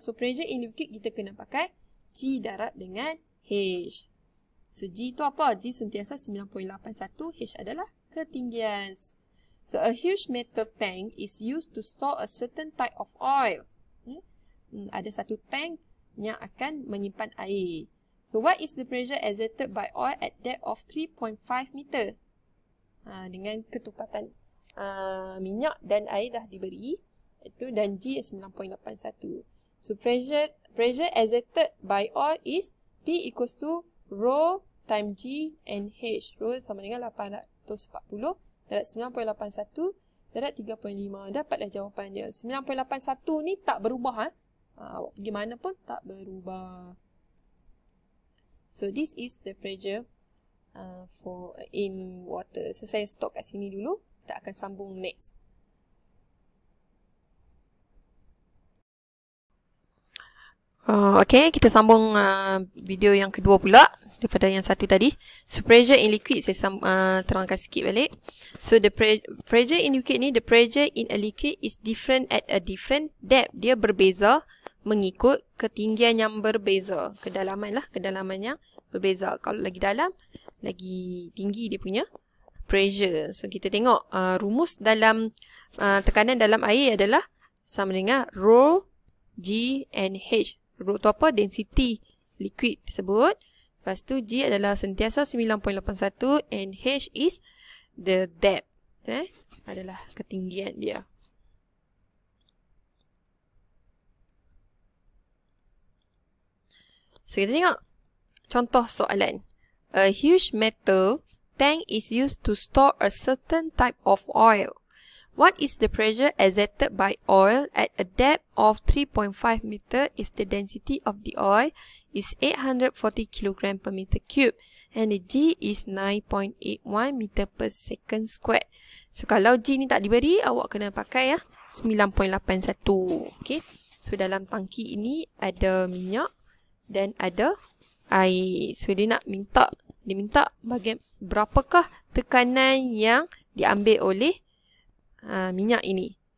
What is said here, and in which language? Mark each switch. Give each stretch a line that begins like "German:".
Malay: So pressure in liquid kita kena pakai G darab dengan H. So G tu apa? G sentiasa 9.81. H adalah ketinggian.
English: So, a huge metal tank is used to store a certain type of oil.
Malay: Ada satu tank yang akan menyimpan air.
English: So, what is the pressure exerted by oil at depth of 3.5 meter?
Malay: Dengan ketupatan minyak dan air dah diberi. Itu dan
English: G is 9.81. So, pressure exerted by oil is P equals to rho times G and H.
Malay: Rho sama dengan 840. Darab 9.81, darab 3.5. Dapatlah jawapannya. 9.81 ni tak berubah. Ha? Awak pergi mana pun tak berubah.
English: So, this is the pressure for in water.
Malay: So, saya stop kat sini dulu. Kita akan sambung next. Okay, kita sambung video yang kedua pula daripada yang satu tadi. So, pressure in liquid, saya terangkan sikit balik.
English: So, the pressure in liquid ni, the pressure in a liquid is different at a different depth.
Malay: Dia berbeza mengikut ketinggian yang berbeza. Kedalaman lah, kedalaman yang berbeza. Kalau lagi dalam, lagi tinggi dia punya pressure. So, kita tengok rumus dalam tekanan dalam air adalah sama dengan rho, g and h. Rho tu apa? Density liquid tersebut. Lepas tu g adalah sentiasa 9.81
English: and h is the depth.
Malay: Eh? Adalah ketinggian dia.
English: So
Malay: kita tengok contoh soalan.
English: A huge metal tank is used to store a certain type of oil. What is the pressure exerted by oil at a depth of 3.5 meter if the density of the oil is 840 kg per meter cube and the g is 9.81 meter per second squared.
Malay: So kalau g ni tak diberi, awak kena pakai ya 9.81. Okay. So dalam tangki ini ada minyak dan ada air. So dia nak minta, dia minta bagian berapakah tekanan yang diambil oleh minyak ini.